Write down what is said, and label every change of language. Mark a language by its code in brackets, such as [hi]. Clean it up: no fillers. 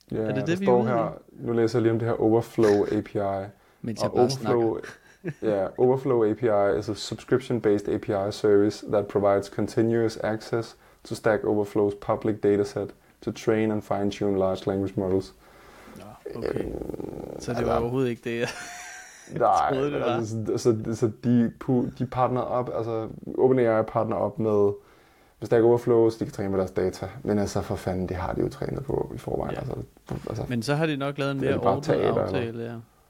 [da] Ja, er det vi står her, nu læser jeg lige om det her Overflow API. Mens jeg bare snakker. [en] Overflow API is a subscription-based API service that provides continuous access to Stack Overflow's public dataset to train and fine-tune large language models. [da] Nå, okay. Så det var overhovedet ikke det, jeg troede, det var. Så de partner op, altså OpenAI partner op med Stack Overflow, så de kan træne på deres data. Men altså, for fanden, det har de jo trænet på i forvejen. Ja. Altså, men så har de nok lavet en mere ordentlig aftale, eller?